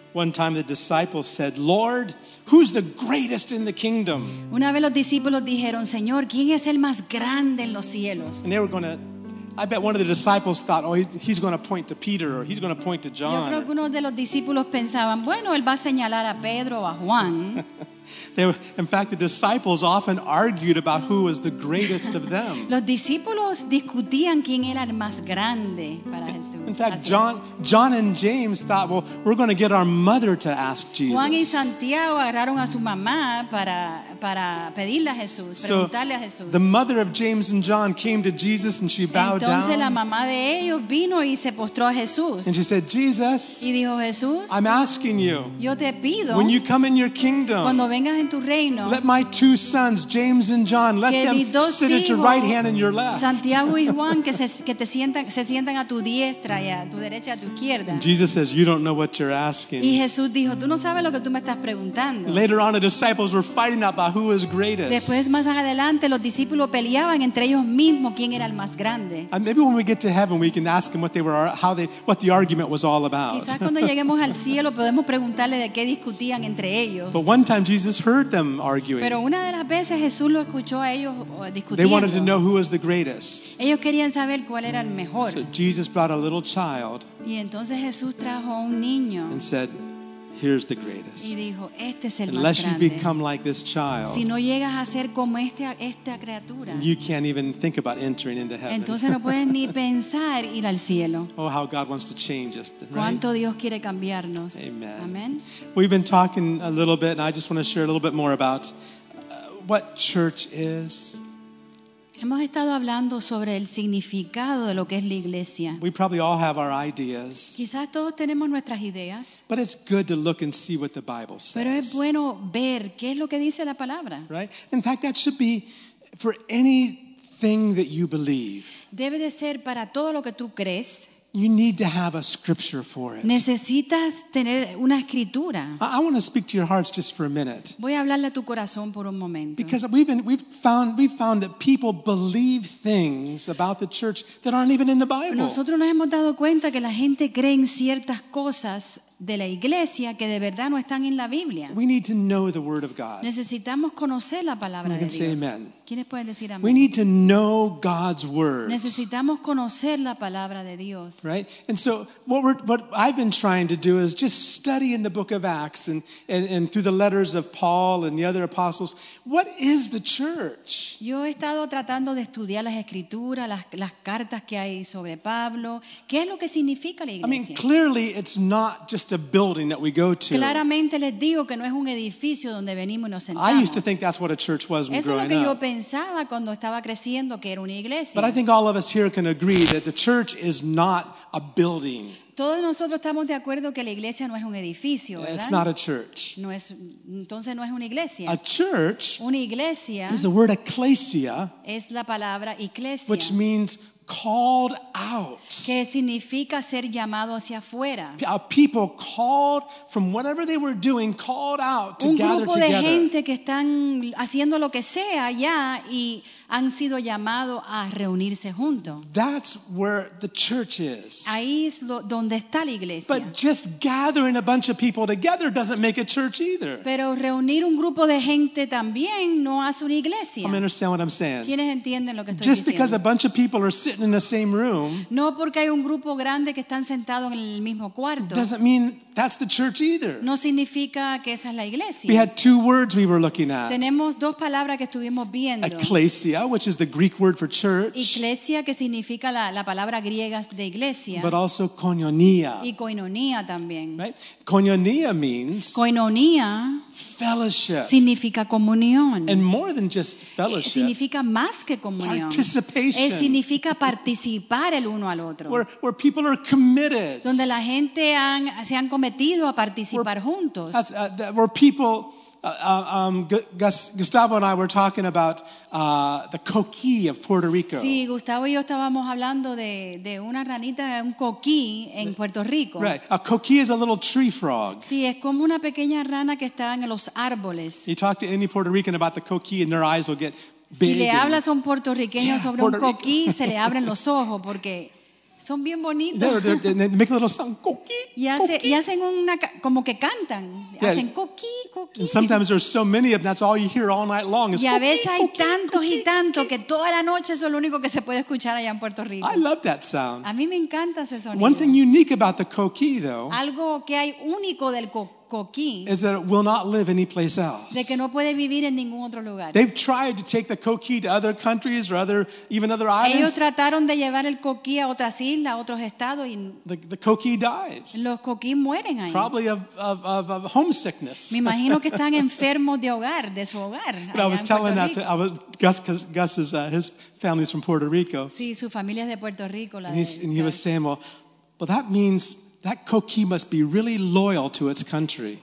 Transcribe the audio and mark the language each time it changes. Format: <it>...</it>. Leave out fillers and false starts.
<en>One time the disciples said, "Lord, who's the greatest in the kingdom?"</en> <es>Una vez los discípulos dijeron, "Señor, ¿quién es el más grande en los cielos?"</es> <en>And they were going to, I bet one of the disciples thought, "Oh, he's going to point to Peter or he's going to point to John."</en> <es>Yo creo que uno de los discípulos pensaban, "Bueno, él va a señalar a Pedro o a Juan."</es> <en>In fact, the disciples often argued about who was the greatest of them.</en> <es>Los discípulos discutían quién era el más grande para Jesús.</es> <en>In fact, John and James thought, "Well, we're going to get our mother to ask Jesus."</en> <es>Juan y Santiago agarraron a su mamá para pedirle a Jesús, preguntarle a Jesús.</es> <en>The mother of James and John came to Jesus and she bowed</en> <es>entonces,</es> <en>down.</en> <es>La mamá de ellos vino y se postró a Jesús.</es> <en>And she said, "Jesus,</en> <es>y dijo, Jesús,</es> <en>I'm asking you.</en> <es>Yo te pido,</es> <en>when you come in your kingdom,</en> <es>cuando vengas en tu reino,</es> <en>let my two sons, James and John, let them sit at your right hand and your left."</en> <es>Santiago y Juan que te sientan, se sientan a tu diestra y a tu derecha y a tu izquierda.</es> <en>Jesus says, "You don't know what you're asking."</en> <es>Y Jesús dijo, "Tú no sabes lo que tú me estás preguntando."</es> <en>Later on, the disciples were fighting about who is greatest.</en> <es>Después, más adelante, los discípulos peleaban entre ellos mismos quién era el más grande.</es> <en>And maybe when we get to heaven, we can ask them what the argument was all about.</en> <es>Quizás cuando lleguemos al cielo podemos preguntarle de qué discutían entre ellos.</es> <en>But one time Jesus heard them arguing.</en> <es>Pero una de las veces Jesús lo escuchó a ellos discutiendo.</es> <en>They wanted to know who was the greatest.</en> <es>Ellos querían saber cuál era el mejor.</es> <en>So Jesus brought a little child.</en> <es>Y entonces Jesús trajo un niño.</es> <en>And said, "Here's the greatest."</en> <es>Y dijo, este es el más</es> <en>unless</en> <es>grande.</es> <en>You become like this child,</en> <es>si no llegas a ser como esta criatura,</es> <en>you can't even think about entering into heaven.</en> <es>Entonces no puedes ni pensar ir al cielo.</es> <en>Oh, how God wants to change us!</en> <es>Cuánto</es> <en>right?</en> <es>Dios quiere cambiarnos.</es> <en>Amen.</en> <es>Amen.</es> <en>We've been talking a little bit, and I just want to share a little bit more about what church is.</en> <es>Hemos estado hablando sobre el significado de lo que es la iglesia.</es> <en>We probably all have our ideas.</en> <es>Quizás todos tenemos nuestras ideas.</es> <en>But it's good to look and see what the Bible says.</en> <es>Pero es bueno ver qué es lo que dice la palabra.</es> <en>Right? In fact, that should be for anything that you believe.</en> <es>Debe de ser para todo lo que tú crees.</es> <en>You need to have a scripture for it.</en> <es>Necesitas tener una escritura.</es> <en>I want to speak to your hearts just for a minute.</en> <es>Voy a hablarle a tu corazón por un momento.</es> <en>Because we've found that people believe things about the church that aren't even in the Bible.</en> <es>Nosotros nos hemos dado cuenta que la gente cree en ciertas cosas de la iglesia que de verdad no están en la Biblia.</es> <en>We need to know the word of God.</en> <es>Necesitamos conocer la palabra de Dios.</es> <en>Say amen.</en> <es>¿Quiénes pueden decir amén?</es> <en>We need to know God's word.</en> <es>Necesitamos conocer la palabra de Dios.</es> <en>Right? And so what I've been trying to do is just study in the book of Acts and through the letters of Paul and the other apostles, what is the church?</en> <es>Yo he estado tratando de estudiar las escrituras, las cartas que hay sobre Pablo, ¿qué es lo que significa la iglesia?</es> <en>I mean, clearly it's not just a building that we go to.</en> <es>Claramente les digo que no es un edificio donde venimos y nos sentamos.</es> <en>I used to think that's what a church was when growing up.</en> <es>Eso es lo que yo pensaba cuando estaba creciendo, que era una iglesia.</es> <en>But I think all of us here can agree that the church is not a building.</en> <es>Todos nosotros estamos de acuerdo que la iglesia no es un edificio, ¿verdad?</es> <en>It's not a church.</en> <es>No es, entonces no es una iglesia.</es> <en>A church.</en> <es>Una iglesia.</es> <en>Is the word ecclesia.</en> <es>Es la palabra iglesia.</es> <en>Which means called out.</en> <es>¿Qué significa ser llamado hacia afuera?</es> <en>A people called from whatever they were doing, called out to</en> <es>un</es> <en>gather together.</en> <es>Un grupo de gente que están haciendo lo que sea allá y han sido llamados a reunirse juntos.</es> <en>That's where the church is.</en> <es>Ahí es donde está la iglesia.</es> <en>But just gathering a bunch of people together doesn't make a church either.</en> <es>Pero reunir un grupo de gente también no hace una iglesia.</es> <en>I'm understanding what I'm saying.</en> <es>¿Quiénes entienden lo que estoy</es> <en>just</en> <es>diciendo?</es> <en>Just because a bunch of people are sitting in the same room.</en> <es>No porque hay un grupo grande que están sentados en el mismo cuarto.</es> <en>Doesn't mean that's the church either.</en> <es>No significa que esa es la iglesia.</es> <en>We had two words we were looking at.</en> <es>Tenemos dos palabras que estuvimos viendo.</es> <en>Ecclesia, which is the Greek word for church.</en> <es>Iglesia, que significa la palabra griega de iglesia.</es> <en>But also koinonia.</en> <es>Y koinonia también.</es> <en>Right? Koinonia means.</en> <es>Koinonia.</es> <en>Fellowship.</en> <es>Significa comunión.</es> <en>And more than just fellowship.</en> <es>Significa más que comunión.</es> <en>Participation.</en> <es>Es significa participar el uno al otro.</es> <en>Where people are committed.</en> <es>Donde la gente se han cometido a participar juntos.</es> <en>Where people. Gustavo and I were talking about the coqui of Puerto Rico.</en> <es>Sí, Gustavo y yo estábamos hablando de una ranita, un coqui en Puerto Rico.</es> <en>Right, a coqui is a little tree frog.</en> <es>Sí, es como una pequeña rana que está en los árboles.</es> <en>You talk to any Puerto Rican about the coqui, and their eyes will get big.</en> <es>Si le hablas a un puertorriqueño sobre un coqui, se le abren los ojos porque son bien bonitos.</es> <en>They make a little song, coqui,</en> <es>y hacen una, como que cantan. Yeah. Hacen coqui, coqui.</es> <en>And sometimes there's so many of them, that's all you hear all night long. Is,</en> <es>y a veces hay tantos y tantos que toda la noche eso es lo único que se puede escuchar allá en Puerto Rico.</es> <en>I love that sound.</en> <es>A mí me encanta ese sonido.</es> <en>One thing unique about the coqui, though.</en> <es>Algo que hay único del coqui.</es> <en>Is that it will not live any place else.</en> <es>De que no puede vivir en ningún otro lugar.</es> <en>They've tried to take the coqui to other countries or other, even other islands.</en> <es>Ellos trataron de llevar el coqui a otras islas, a otros estados, y</es> <en>the coqui dies.</en> <es>Los coqui mueren ahí.</es> <en>Probably of homesickness.</en> <es>Me imagino que están enfermos de hogar, de su hogar.</es> <en>But I was telling that to, I was, Gus is, his family's from Puerto Rico.</en> <es>Sí, su familia es de Puerto Rico.</es> <en>And he was saying, well, that means that coqui must be really loyal to its country.</en>